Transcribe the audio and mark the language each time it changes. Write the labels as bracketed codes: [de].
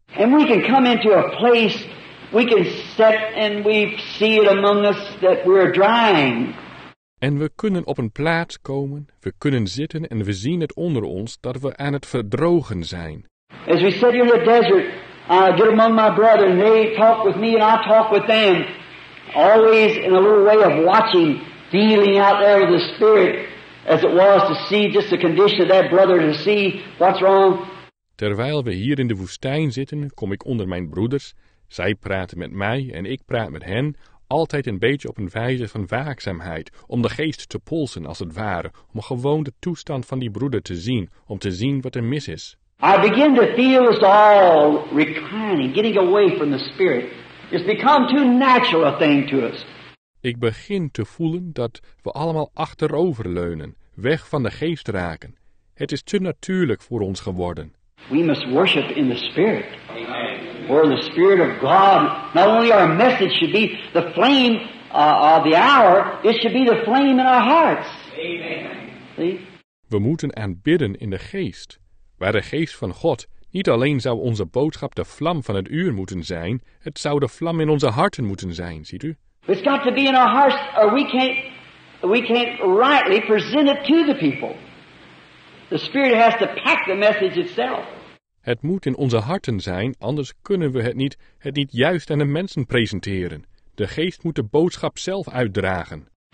[en] And we can come into a place, we can sit and we see it among us that we're drying. [nl] En we kunnen op een plaats komen, we kunnen zitten en we zien het onder ons dat we aan het verdrogen zijn. [en] As we sit here in the desert, I get among my brethren, they talk with me and I talk with them. Always in a little way of watching, feeling out there with the Spirit, as it was to see just the condition of that brother, to see what's wrong. [nl] Terwijl we hier in de woestijn zitten, kom ik onder mijn broeders. Zij praten met mij en ik praat met hen. Altijd een beetje op een wijze van waakzaamheid, om de geest te polsen als het ware, om gewoon de toestand van die broeder te zien, om te zien wat er mis is. [en] I begin to feel us all reclining, getting away from the Spirit. It's become too natural a thing to us. [nl] Ik begin te voelen dat we allemaal achteroverleunen, weg van de geest raken. Het is te natuurlijk voor ons geworden. [en] We must worship in the Spirit. For the Spirit of God, not only our message should be the flame of the hour, it should be the flame in our hearts. Amen. See? [nl] We moeten aanbidden in de geest, waar de geest van God niet alleen zou onze boodschap de vlam van het uur moeten zijn, het zou de vlam in onze harten moeten zijn, ziet u? [en] It's got to be in our hearts, or we can't rightly present it to the people. The Spirit has to pack the message itself. [nl] Het moet in onze harten zijn, anders kunnen we het niet juist aan de mensen presenteren. De geest moet de boodschap zelf uitdragen.